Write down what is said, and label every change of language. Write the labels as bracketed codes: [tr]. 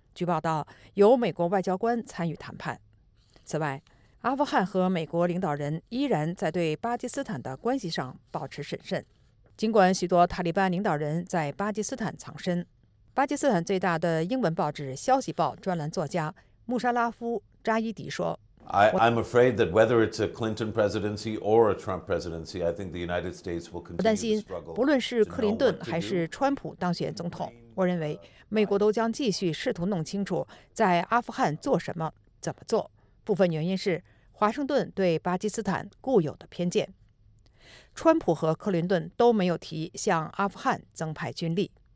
[zh] 据报道，有美国外交官参与谈判。此外，阿富汗和美国领导人依然在对巴基斯坦的关系上保持审慎。尽管许多塔利班领导人在巴基斯坦藏身，巴基斯坦最大的英文报纸《消息报》专栏作家穆沙拉夫·扎伊迪说。 [en] I'm afraid that whether it's a Clinton presidency or a Trump presidency, I think the United States will continue to struggle. [zh] 我担心，不论是克林顿还是川普当选总统，我认为美国都将继续试图弄清楚在阿富汗做什么、怎么做。部分原因是华盛顿对巴基斯坦固有的偏见。川普和克林顿都没有提向阿富汗增派军力。